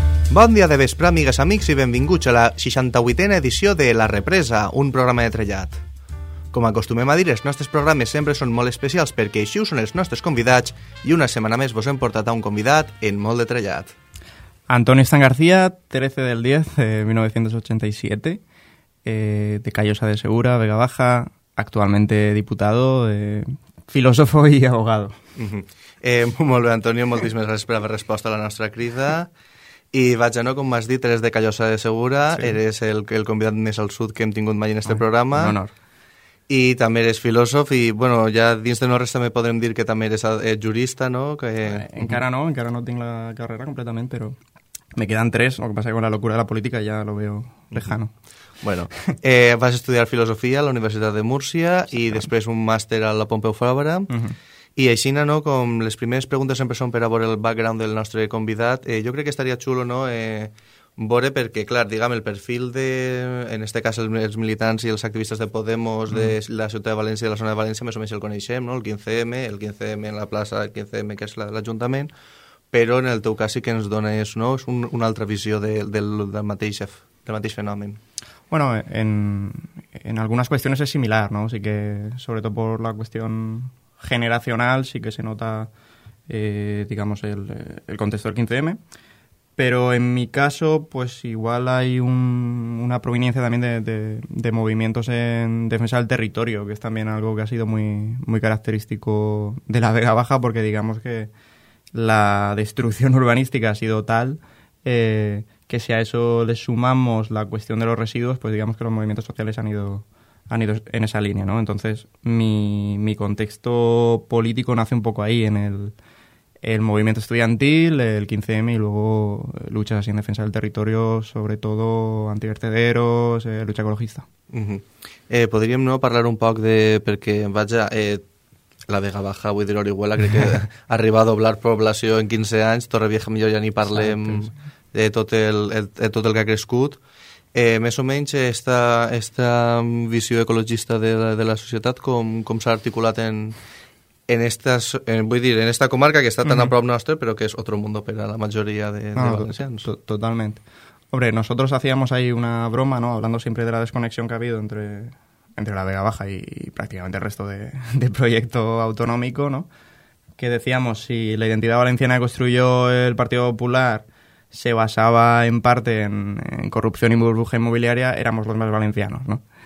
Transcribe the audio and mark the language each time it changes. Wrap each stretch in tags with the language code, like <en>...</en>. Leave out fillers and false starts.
<ca>Bon dia de vespre, amigues, amics, i benvinguts a la 68a edició de La Represa, un programa de trellat. Com acostumem a dir, els nostres programes sempre són molt especials perquè així ho són els nostres convidats i una setmana més vos hem portat a un convidat en molt de trellat.</ca> <es>Antonio Stan García, 13 del 10, 1987, de Callosa de Segura, Vega Baja, actualmente diputado, filósofo y abogado.</es> <ca>Molt bé, Antonio, moltíssimes gràcies per haver respost a la nostra crida. I vaig a no, com m'has dit, eres de Callosa de Segura, sí. Eres el convidat més al sud que hem tingut mai en este programa. Un honor. I també eres filòsof i, bueno, ja dins de no res també podrem dir que també eres jurista, no? Encara no tinc la carrera completament,</ca> <es>però me quedan tres, lo que pasa que con la locura de la política ya lo veo lejano.</es> <ca>Bueno, vas estudiar filosofia a la Universitat de Múrcia, sí, i després un màster a la Pompeu Fabra. I així, no, com les primeres preguntes sempre són per a veure el background del nostre convidat, jo crec que estaria xulo, no, veure, perquè, clar, diguem, el perfil de, en este cas, els militants i els activistes de Podemos de la ciutat de València i de la zona de València, més o menys el coneixem, no, el 15M en la plaça, el 15M que és l'Ajuntament, però en el teu cas sí que ens dones, no, una altra visió del mateix fenomen. Bueno, en algunes qüestions és similar, no, sí que, sobretot per la qüestió generacional, sí que se nota,</ca> <es>digamos, el contexto del 15M, pero en mi caso, pues igual hay una proveniencia también de movimientos en defensa del territorio, que es también algo que ha sido muy, muy característico de la Vega Baja, porque digamos que la destrucción urbanística ha sido tal que si a eso le sumamos la cuestión de los residuos, pues digamos que los movimientos sociales han ido en esa línea, ¿no? Entonces, mi contexto político nace un poco ahí, en el movimiento estudiantil, el 15M, y luego luchas así en defensa del territorio, sobre todo antivertederos, lucha ecologista. Uh-huh.</es> <ca>Podríem, ¿no?, parlar un poc de, perquè, vaja, la Vega Baja, vull dir, Orihuela, crec que arriba a doblar població en 15 anys, Torrevieja millor ja ni parlem, de tot el que ha crescut. Més o menys, esta visió ecologista de la societat, com s'ha articulat en esta comarca que està tan a prop nostre, però que és</ca> <es>otro mundo</es> <ca>per a la majoria de valencians. Totalment.</ca> <es>Hombre, nosotros hacíamos ahí una broma, ¿no?, hablando siempre de la desconexión que ha habido entre la Vega Baja y prácticamente el resto de proyecto autonómico, ¿no? Que decíamos, si la identidad valenciana que construyó el Partido Popular se basaba en parte en corrupción y burbuja inmobiliaria, éramos los más valencianos, ¿no?</es>